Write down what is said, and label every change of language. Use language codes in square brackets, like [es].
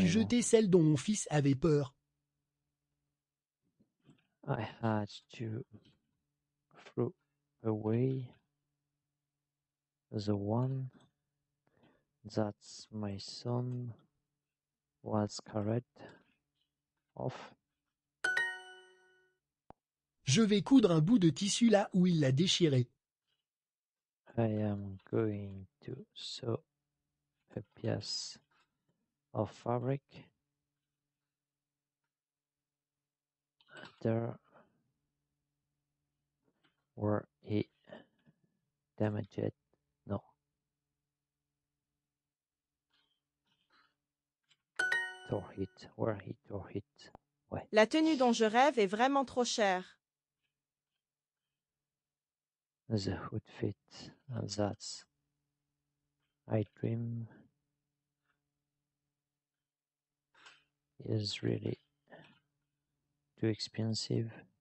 [fr] dû jeter celle dont mon fils avait peur. [en] I had to throw away the one that my son was scared of. [fr] Je vais coudre un bout de tissu là où il l'a déchiré. [en] I am going to sew a piece of fabric there where he damaged it. No. Tore it. Where he tore it. [fr] Ouais. La tenue dont je rêve est vraiment trop chère. [en] The hood fit that I dream is really too expensive.